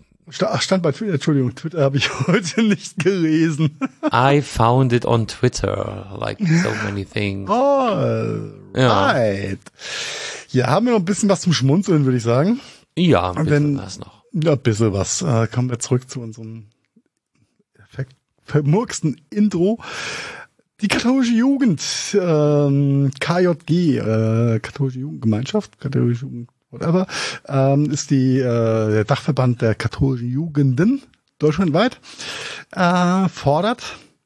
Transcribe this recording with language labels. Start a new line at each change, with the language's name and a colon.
German: stand bei Twitter, Entschuldigung, Twitter habe ich heute nicht gelesen.
English: I found it on Twitter, like so many things. All right.
German: Ja, haben wir noch ein bisschen was zum Schmunzeln, würde ich sagen. Ja, ein bisschen was noch. Ja, ein bisschen was. Kommen wir zurück zu unserem vermurksten Intro. Die katholische Jugend, KJG, katholische Jugendgemeinschaft, katholische Jugend, whatever, ist die der Dachverband der katholischen Jugenden deutschlandweit, fordert.